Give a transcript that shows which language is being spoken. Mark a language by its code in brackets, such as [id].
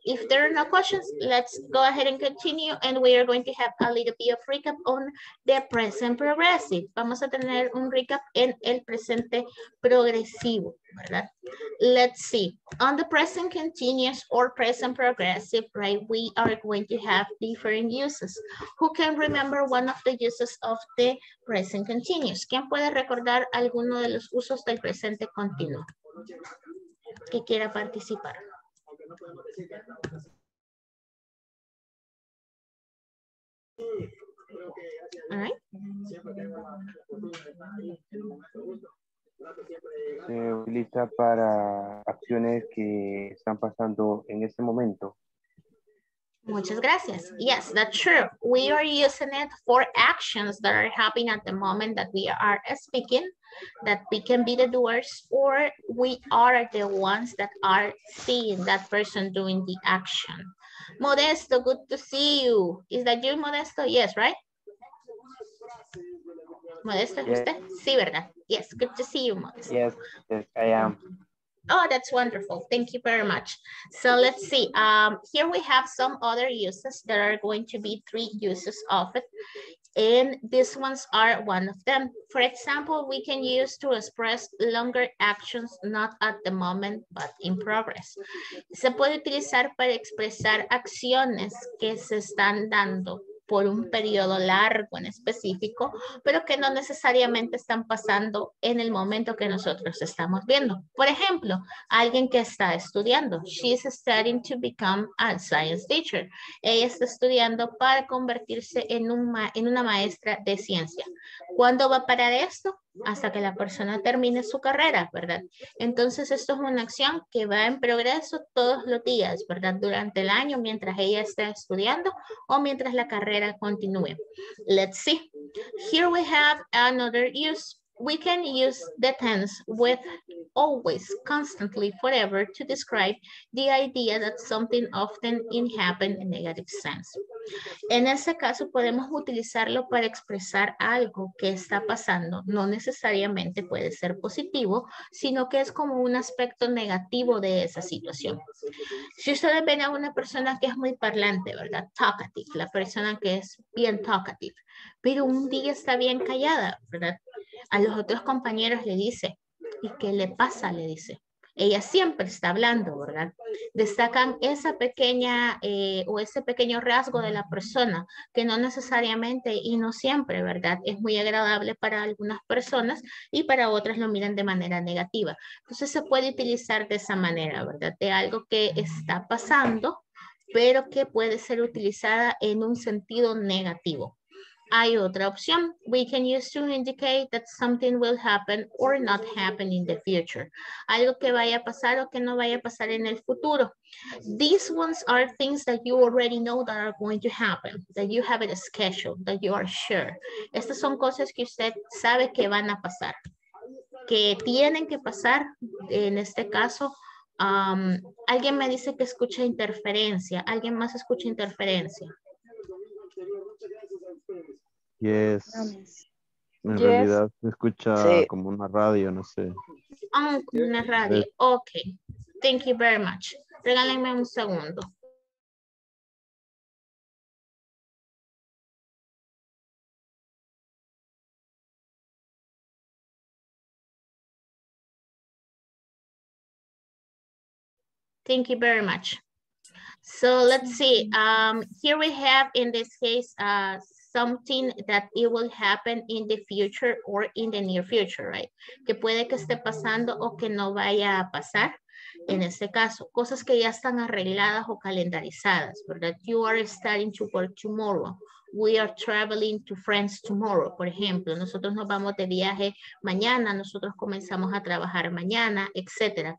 [en] If there are no questions, let's go ahead and continue. And we are going to have a little bit of recap on the present progressive. [es] Vamos a tener un recap en el presente progresivo, ¿verdad? [en] Let's see. On the present continuous or present progressive, right? We are going to have different uses. Who can remember one of the uses of the present continuous? [es] ¿Quién puede recordar alguno de los usos del presente continuo? Que quiera participar. [en] All right. [es] Se utiliza para acciones que están pasando en este momento. Muchas gracias. [en] Yes, that's true. We are using it for actions that are happening at the moment that we are speaking, that we can be the doers, or we are the ones that are seeing that person doing the action. Modesto, good to see you. Is that you, Modesto? Yes, right? Modesto, yes. [es] ¿Usted? Sí, ¿verdad? [en] Yes, good to see you, Modesto. Yes, I am. Oh, that's wonderful. Thank you very much. So let's see. Here we have some other uses. There are going to be three uses of it. And these ones are one of them. For example, we can use to express longer actions, not at the moment, but in progress. [es] Se puede utilizar para expresar acciones que se están dando por un periodo largo en específico, pero que no necesariamente están pasando en el momento que nosotros estamos viendo. Por ejemplo, alguien que está estudiando. [en] She's studying to become a science teacher. [es] Ella está estudiando para convertirse en una maestra de ciencia. ¿Cuándo va a parar esto? Hasta que la persona termine su carrera, ¿verdad? Entonces, esto es una acción que va en progreso todos los días, ¿verdad? Durante el año, mientras ella esté estudiando o mientras la carrera continúe. [en] Let's see. Here we have another use. We can use the tense with always, constantly, forever to describe the idea that something often in happen in negative sense. [es] En ese caso, podemos utilizarlo para expresar algo que está pasando. No necesariamente puede ser positivo, sino que es como un aspecto negativo de esa situación. Si ustedes ven a una persona que es muy parlante, ¿verdad? Talkative, la persona que es bien talkative, pero un día está bien callada, ¿verdad? A los otros compañeros le dice, ¿y qué le pasa? Le dice. Ella siempre está hablando, ¿verdad? Destacan esa pequeña o ese pequeño rasgo de la persona que no necesariamente y no siempre, ¿verdad? Es muy agradable para algunas personas y para otras lo miran de manera negativa. Entonces se puede utilizar de esa manera, ¿verdad? De algo que está pasando, pero que puede ser utilizada en un sentido negativo. Hay otra opción. [en] We can use to indicate that something will happen or not happen in the future. [es] Algo que vaya a pasar o que no vaya a pasar en el futuro. [en] These ones are things that you already know that are going to happen, that you have it scheduled, that you are sure. [es] Estas son cosas que usted sabe que van a pasar, que tienen que pasar en este caso. Alguien me dice que escucha interferencia. ¿Alguien más escucha interferencia? Yes. En yes. realidad se escucha sí. como una radio, no sé. Una radio. [en] Ok. Thank you very much. [es] Regálenme un segundo. [en] Thank you very much. So let's see. Here we have in this case something that it will happen in the future or in the near future, right? [es] Que puede que esté pasando o que no vaya a pasar. En este caso, cosas que ya están arregladas o calendarizadas, ¿verdad? [en] You are starting to work tomorrow. We are traveling to France tomorrow, [es] por ejemplo. Nosotros nos vamos de viaje mañana, nosotros comenzamos a trabajar mañana, etc.